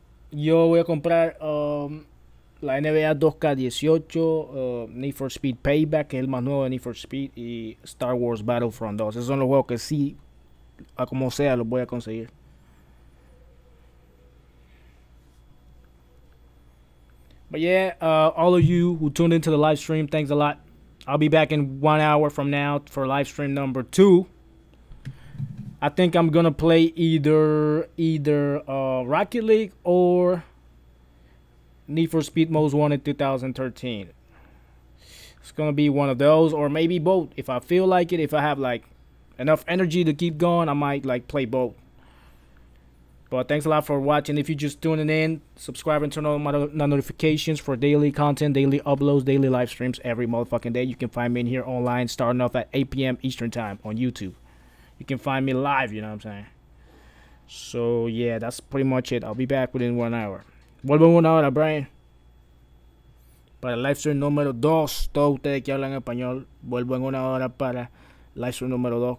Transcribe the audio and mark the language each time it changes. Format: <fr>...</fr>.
<es>Yo voy a comprar la NBA 2K18, Need for Speed Payback, que es el más nuevo de Need for Speed, y Star Wars Battlefront 2. Esos son los juegos que sí, a como sea, los voy a conseguir.</es> <en>But yeah, all of you who tuned into the live stream, thanks a lot. I'll be back in 1 hour from now for live stream number 2. I think I'm going to play either Rocket League or Need for Speed Most Wanted 2013. It's going to be one of those, or maybe both. If I feel like it, if I have like enough energy to keep going, I might like play both. But thanks a lot for watching. If you're just tuning in, subscribe and turn on my notifications for daily content, daily uploads, daily live streams every motherfucking day. You can find me in here online starting off at 8 p.m. Eastern Time on YouTube. You can find me live, you know what I'm saying? So, yeah, that's pretty much it. I'll be back within 1 hour. What about 1 hour, Brian?</en> <es>Para live stream número 2, todos ustedes que hablan español, vuelvo en 1 hora para live stream número 2.</es>